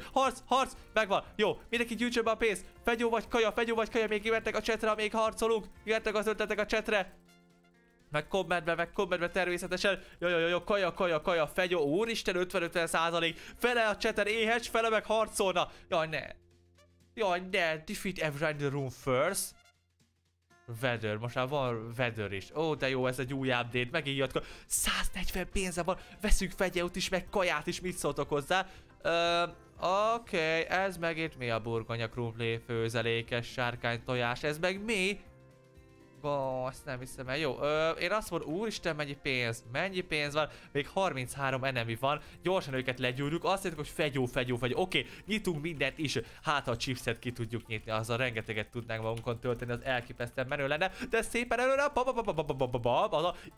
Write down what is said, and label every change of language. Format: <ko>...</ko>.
<hu>Harc, megvan. Jó, mindenki gyűjtsön be a pénzt. Fegyó vagy kaja. Még jöttek a csetre, amíg harcolunk. Jöttek az ötletek a csetre. Meg kommentbe természetesen. Jó, kaja, fegyó. Úristen, 50-50%. Fele a cseter éhes, fele meg harcolna. Jaj, ne.</hu> <en>Defeat everyone in the room first.</en> <hu>Weather, most már van weather is. Ó, de jó, ez egy új update, megint jött. 140 pénze van, veszünk fegyót is, meg kaját is, mit szóltok hozzá? Oké, ez meg itt mi a burgonya krumpli főzelékes sárkány tojás, ez meg mi? Azt nem hiszem el. Jó, én azt mondom, úristen, mennyi pénz van, még 33 enemy van, gyorsan őket legyúrjuk, azt mondjuk, hogy fegyó, oké, nyitunk mindent is, hát a chipset ki tudjuk nyitni, azzal rengeteget tudnánk magunkon tölteni, az elképesztően menő lenne, de szépen előre, az a,</hu>